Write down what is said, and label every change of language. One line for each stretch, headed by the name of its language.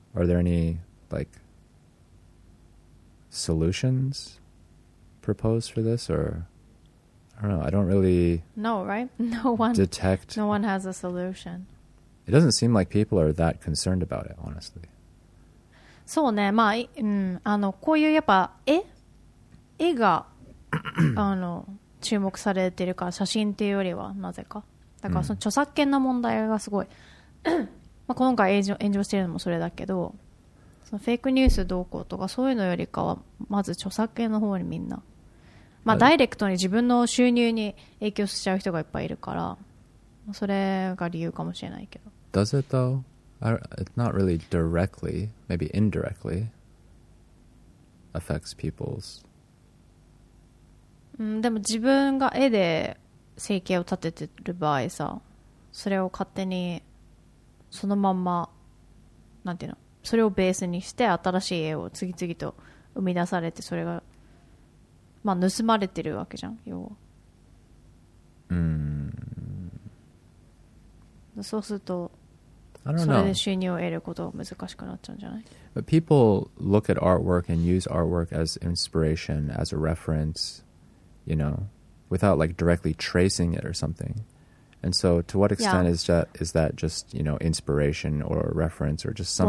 English: Are there any like solutions proposed for this, or I don't know. I don't really. No, right? No one detect. No one has a solution. It doesn't seem like people are that concerned about it, honestly.
Japanese: そうね、まあ、うん、あのこういうやっぱ絵があの注目されてるから、写真っていうよりはなぜかだからその著作権の問題がすごい、まあ、今回炎上してるのもそれだけど、そのフェイクニュースどうこうとかそういうのよりかはまず著作権の方にみんな、まあ、ダイレクトに自分の収入に影響しちゃう人がいっぱいいるから、それが理由かもしれないけど。
English: Does it though? It's not really directly, maybe indirectly affects people's.
Japanese: うん、でも自分が絵で生計を立ててる場合さ、それを勝手にそのまんま、なんていうの、それをベースにして新しい絵を次々と生み出されて、それがまあ盗まれてるわけじゃん、要は。うん。そうすると。
English: I don't know.
Japanese: それで収入を得ることが難しくなっちゃうんじゃない。
English: But people look at artwork and use artwork as inspiration, as a reference, you know, without like directly tracing it or something. And so to what extent、 yeah. is that just, you know, inspiration or reference or just some